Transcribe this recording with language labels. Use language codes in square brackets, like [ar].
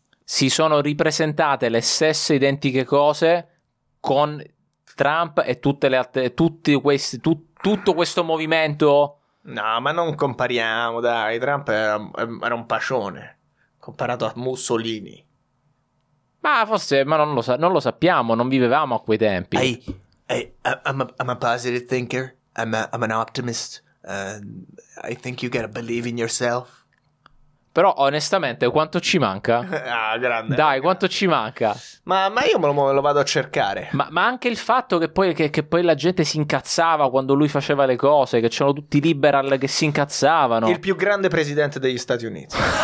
[it] Si sono ripresentate le stesse identiche cose con Trump e tutto questo movimento. No, ma non compariamo, dai. Trump era un pacione comparato a Mussolini. Ma forse, ma non lo sappiamo, non vivevamo a quei tempi. [en] Ehi, I'm a positive thinker. I'm an optimist. I think you gotta believe in yourself. [it] Però onestamente, quanto ci manca? Ah, grande. Dai, ragazzi. Quanto ci manca? Ma io me lo vado a cercare. Ma anche il fatto che poi la gente si incazzava quando lui faceva le cose, che c'erano tutti i liberal che si incazzavano. Il più grande presidente degli Stati Uniti.